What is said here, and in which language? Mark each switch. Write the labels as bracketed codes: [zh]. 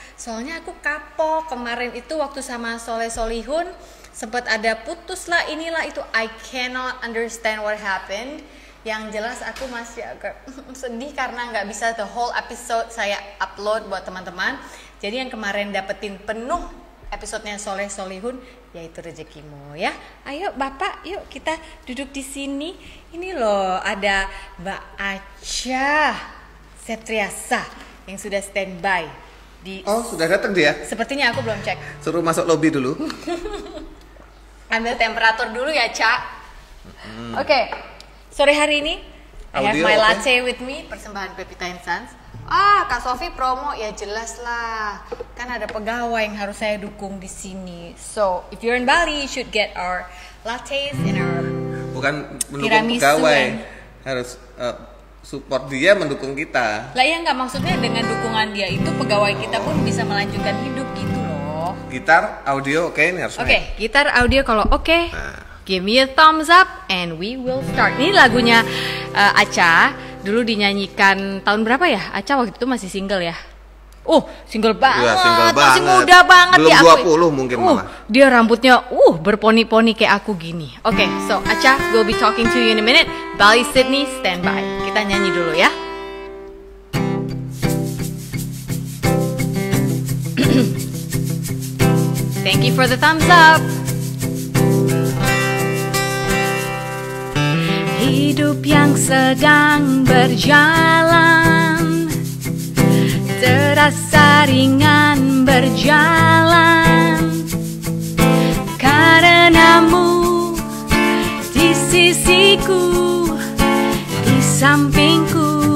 [id] Soalnya aku kapok kemarin itu waktu sama Soleh Solihun sempat ada putus lah inilah itu. [en] I cannot understand what happened. [id] Yang jelas aku masih agak sedih karena nggak bisa the whole episode saya upload buat teman-teman. Jadi yang kemarin dapetin penuh episode-nya Soleh Solihun, yaitu rezekimu ya. Ayo Bapak, yuk kita duduk di sini. Ini loh ada Mbak Acha Setriasa yang sudah standby. Di oh, sudah datang dia? Sepertinya aku belum cek. Suruh masuk lobby dulu. Ambil temperatur dulu ya, Ca. Oke. Sore hari ini, audio, I have my latte with me, persembahan Pepita & Sons. Ah, Kak Sofie promo, ya jelas lah. Kan ada pegawai yang harus saya dukung di sini. [en] So, if you're in Bali, you should get our lattes and our tiramisu. [id] Bukan mendukung pegawai, harus support dia mendukung kita. Lah ya, nggak maksudnya dengan dukungan dia itu, pegawai kita pun bisa melanjutkan hidup gitu loh. Gitar, audio, oke, ini harus Oke, gitar, audio, kalau oke. Okay. Nah. [en] Give me a thumbs up and we will start. [id] Ini lagunya Acha dulu dinyanyikan tahun berapa ya? Acha waktu itu masih single ya? Single banget. Iya, single masih banget. Masih muda banget. Belum ya 20 aku. Mungkin malah. Dia rambutnya berponi-poni kayak aku gini. [en] Oke, okay, so Acha, we'll be talking to you in a minute. Bali, Sydney, standby. Kita nyanyi dulu ya. Thank you for the thumbs up. [id] Hidup yang sedang berjalan terasa ringan berjalan karenamu di sisiku di sampingku